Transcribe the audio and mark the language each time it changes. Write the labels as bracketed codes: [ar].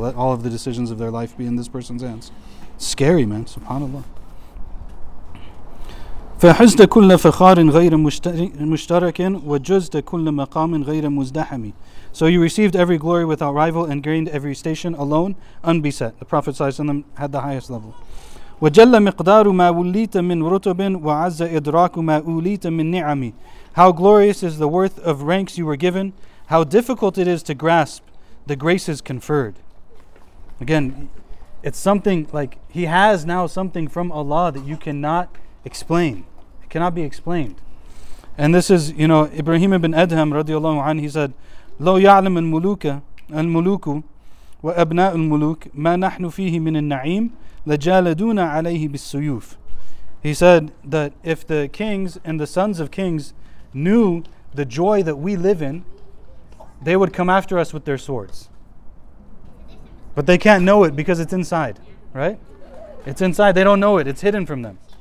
[en] Let all of the decisions of their life be in this person's hands. Scary, man. SubhanAllah. [ar] فَحُزْتَ كُلَّ فَخَارٍ غَيْرَ مُشْتَرَكٍ وَجُزْتَ كُلَّ مَقَامٍ غَيْرَ مُزْدَحَمٍ. [en] So you received every glory without rival and gained every station alone, unbeset. The Prophet ﷺ had the highest level. [ar] وَجَلَّ مِقْدَارُ مَا وُلِّيتَ مِنْ رُتُبٍ وَعَزَّ إِدْرَاكُ مَا أُولِيتَ مِنْ نِعَمٍ. [en] How glorious is the worth of ranks you were given. How difficult it is to grasp the graces conferred. Again, It's something like he has now something from Allah that you cannot explain. It cannot be explained. And this is, you know, Ibrahim ibn Adham radiallahu anhu, he said, [ar] لو يعلم الملوك الملوك وأبناء الملوك ما نحن فيه من النعيم لجالدونا عليه بالسيوف. [en] He said that if the kings and the sons of kings knew the joy that we live in, they would come after us with their swords. But they can't know it because it's inside, right? It's inside, they don't know it, it's hidden from them.